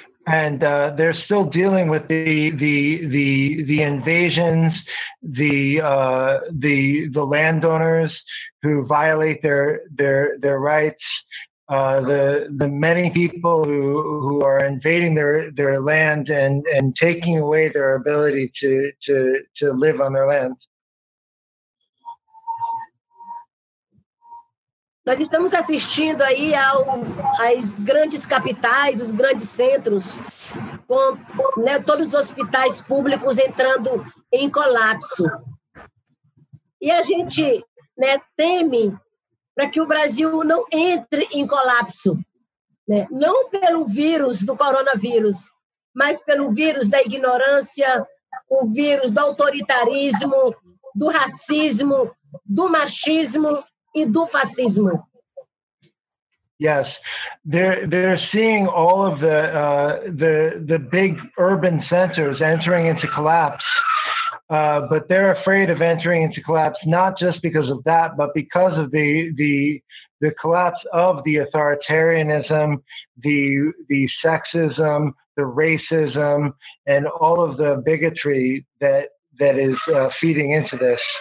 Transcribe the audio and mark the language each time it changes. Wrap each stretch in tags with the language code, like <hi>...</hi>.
<en>And they're still dealing with the invasions, the landowners who violate their rights, the many people who are invading their land and taking away their ability to live on their land.</en> <pt>Nós estamos assistindo aí às grandes capitais, os grandes centros, com, né, todos os hospitais públicos entrando em colapso. E a gente, né, teme para que o Brasil não entre em colapso, né? Não pelo vírus do coronavírus, mas pelo vírus da ignorância, o vírus do autoritarismo, do racismo, do machismo, e do fascismo.</pt> <en>Yes, they're seeing all of the big urban centers entering into collapse, but they're afraid of entering into collapse not just because of that, but because of the collapse of the authoritarianism, the sexism, the racism, and all of the bigotry that is feeding into this.</en>